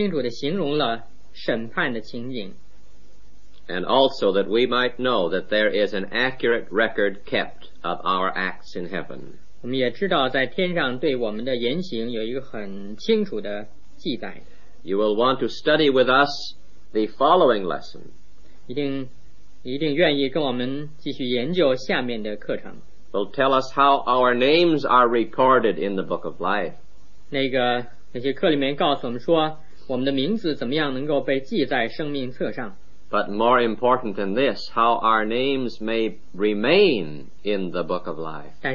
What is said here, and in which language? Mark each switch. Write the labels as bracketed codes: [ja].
[zh] 这一课应该已经很清楚地形容了审判的情景。 [en] And also that we might know that there is an accurate record kept of our acts in heaven. [zh] 我们也知道在天上对我们的言行有一个很清楚的记载。 [en] You will want to study with us the following lesson. [zh] 一定愿意跟我们继续研究下面的课程。 [en] Will tell us how our names are recorded in the Book of Life. [zh] 那些课里面告诉我们说，我们的名字怎么样能够被记在生命册上。 [en] But more important than this, how our names may remain in the Book of Life.